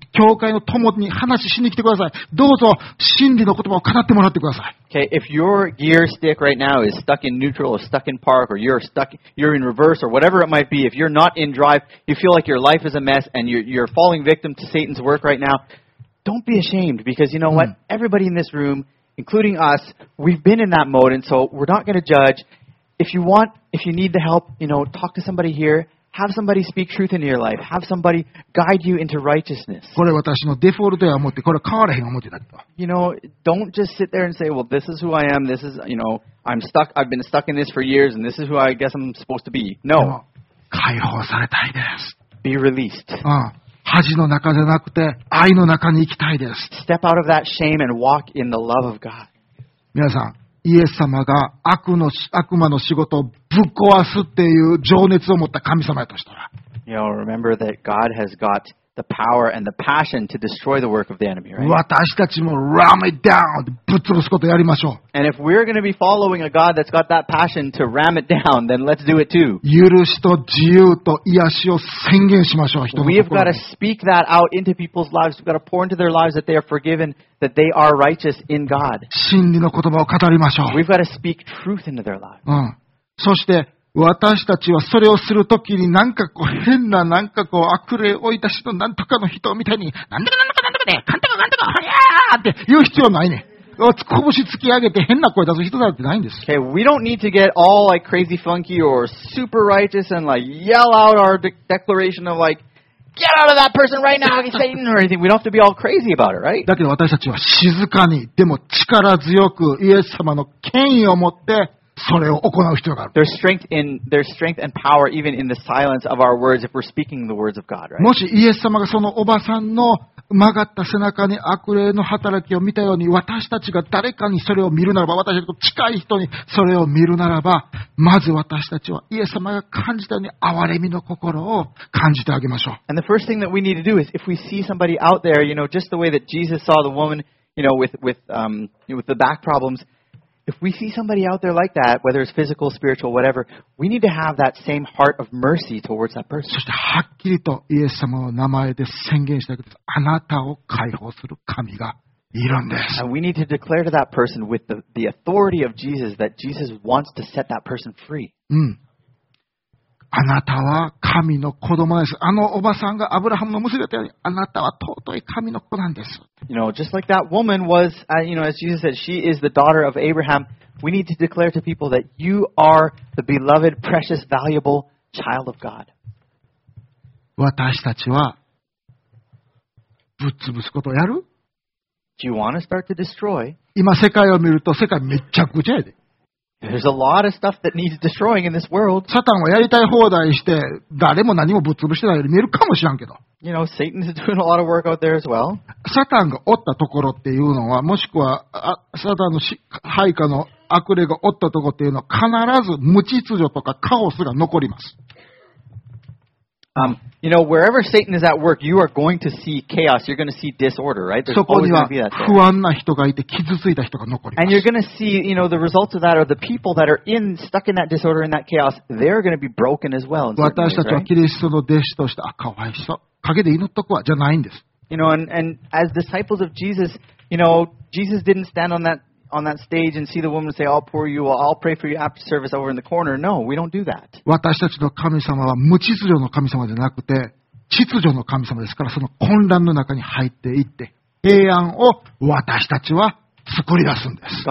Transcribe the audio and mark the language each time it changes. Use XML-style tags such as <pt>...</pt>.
<ja>教会の友に話しに来てください。どうぞ真理の言葉を語ってもらってください。</ja> <en>Okay, if your gear stick right now is stuck in neutral or stuck in park or you're in reverse or whatever it might be, if you're not in drive, you feel like your life is a mess and you're falling victim to Satan's work right now, don't be ashamed because you know what? Everybody in this room, including us, we've been in that mode and so we're not going to judge. If you need the help, you know, talk to somebody here. Have somebody speak truth into your life. Have somebody guide you into righteousness.</en> <ja>これ私のデフォルトや思って、これは変わらへん思ってたけど。</ja> <en>You know, don't just sit there and say, well, this is who I am. This is, you know, I'm stuck. I've been stuck in this for years, and this is who I guess I'm supposed to be. No.</en> <ja>解放されたいです。</ja> <en>Be released.</en> <ja>うん。恥の中じゃなくて、愛の中に行きたいです。</ja> <en>Step out of that shame and walk in the love of God.</en> <ja>皆さん。イエス様が悪魔の仕事をぶっ壊すっていう情熱を持った神様やとしたら。</ja> <en>You know, remember that God has got the power and the passion to destroy the work of the enemy, right?</en> <ja>私たちも</ja> <en>ram it down!</en> <ja>ぶっ潰すことやりましょう。</ja> <en>And if we're going to be following a God that's got that passion to ram it down, then let's do it too.</en> <ja>許しと自由と癒しを宣言しましょう、人の心に。</ja> <en>We've got to speak that out into people's lives. We've got to pour into their lives that they are forgiven. That they are righteous in God.</en> <ja>真理の言葉を語りましょう。</ja> <en>We've got to speak truth into their lives.</en> <ja>うん。そして私たちはそれをするときに、なんかこう変な、なんかこう悪霊追い出しのなんとかの人みたいに、なんとかなんとかなんとかで、かんとかかんとか、いやーって言う必要ないね。拳突き上げて変な声出す人だってないんです。</ja> <en>Okay, we don't need to get all like crazy funky or super righteous and like yell out our declaration of like. Get out of that person right now, Satan, or anything. We don't have to be all crazy about it, right?</en> <ja>だけど私たちは静かに、でも力強く、イエス様の権威を持って、それを行う必要がある。</ja> <en>There's strength and power even in the silence of our words if we're speaking the words of God, right?</en> <ja>もしイエス様がそのおばさんの曲がった背中に悪霊の働きを見たように、私たちが誰かにそれを見るならば、私たちの近い人にそれを見るならば、まず私たちはイエス様が感じたように憐れみの心を感じてあげましょう。</ja> <en>And the first thing that we need to do is if we see somebody out there, you know, just the way that Jesus saw the woman, you know, with the back problems,If we see somebody out there like that, whether it's physical, spiritual, whatever, we need to have that same heart of mercy towards that person.</en> <ja>そしてはっきりとイエス様の名前で宣言したいことです。あなたを解放する神がいるんです。</ja> <en>And we need to declare to that person with the authority of Jesus that Jesus wants to set that person free.</en> <ja>うん。あなたは神の子供です。あのおばさんがアブラハムの娘だったように、あなたは尊い神の子なんです。</ja> <en>You know, just like that woman was, you know, as Jesus said, she is the daughter of Abraham. We need to declare to people that you are the beloved, precious, valuable child of God.</en> <ja>私たちはぶっ潰すことをやる?</ja> <en>Do you want to start to destroy?</en> <ja>今世界を見ると世界めっちゃくちゃやで。</ja> <en>There's a lot of stuff that needs destroying in this world.</en> <ja>サタンはやりたい放題して誰も何もぶっ潰してないように見えるかもしれんけど。</ja> <en>You know, Satan's doing a lot of work out there as well.</en> <ja>サタンがおったところっていうのは、もしくはサタンの配下の悪霊がおったところっていうのは、必ず無秩序とかカオスが残ります。</ja> <en>You know, wherever Satan is at work, you are going to see chaos. You're going to see disorder, right? There's always going to be that.</en> <ja>そこには不安な人がいて傷ついた人が残ります。</ja> <en>And you're going to see, you know, the results of that are the people that are in, stuck in that disorder, in that chaos, they're going to be broken as well.</en> <ja>私たちはキリストの弟子として、あ、かわいそう。陰で祈っとくわ、じゃないんです。</ja> <en>You know, and as disciples of Jesus, you know, Jesus didn't stand on that stage and see the woman and say, I'll pour you, I'll pray for you after service over in the corner. No, we don't do that.</en> <ja>私たちの神様は無秩序の神様じゃなくて、秩序の神様ですから、その混乱の中に入っていって、平安を私たちは作り出すんです。</ja>